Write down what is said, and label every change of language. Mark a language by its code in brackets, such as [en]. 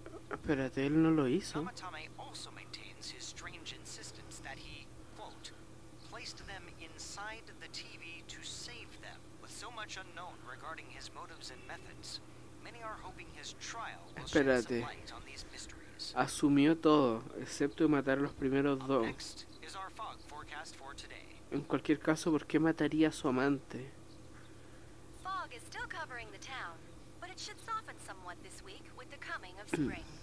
[es] Espérate, él no lo hizo. [en] Namatame also maintains his strange insistence that he, quote, placed them inside the TV to save them. With so much unknown regarding his motives and methods, many are hoping his trial will shed some light on these mysteries. [es] Asumió todo, excepto matar a los primeros dos. [en] Next is our fog forecast for today. [es] En cualquier caso, ¿por qué mataría a su amante? [en] Fog is still covering the town, but it should soften somewhat this week with the coming of spring.